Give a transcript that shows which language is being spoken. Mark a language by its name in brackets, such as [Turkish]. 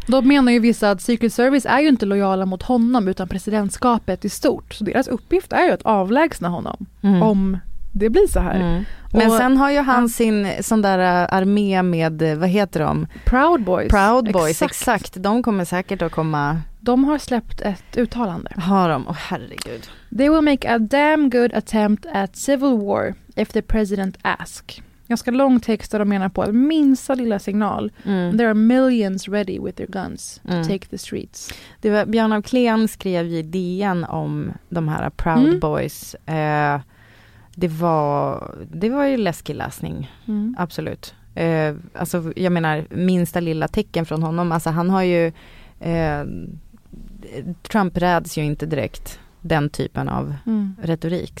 [Swedish] Då menar ju vissa att Secret Service är ju inte lojala mot honom utan presidentskapet i stort. Så deras uppgift är ju att avlägsna honom om det blir så här. Mm. Men sen har ju han sin sån där armé med, vad heter de? Proud Boys, exakt. De kommer säkert att komma... De har släppt ett uttalande. Har de? Oh, herregud. [English] They will make a damn good attempt at civil war if the president asks. [Swedish] Ganska lång text där de menar på att minsta lilla signal. Mm. [English] There are millions ready with their guns to take the streets. [Swedish] Det var Björn av Klen skrev i DN om de här Proud Boys... Det var ju läskig läsning, absolut. Alltså jag menar, minsta lilla tecken från honom. Alltså han har ju, Trump räds ju inte direkt den typen av retorik.